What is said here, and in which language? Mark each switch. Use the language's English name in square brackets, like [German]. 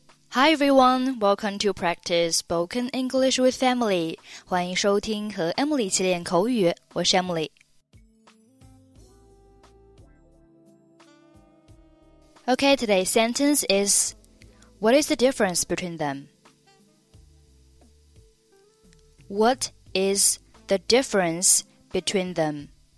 [English] Hi everyone, welcome to practice spoken English with Emily. [Chinese] 欢迎收听和 Emily 一起练口语，我是 Emily. [English] Okay, today's sentence is, What is the difference between them? What is the difference between them?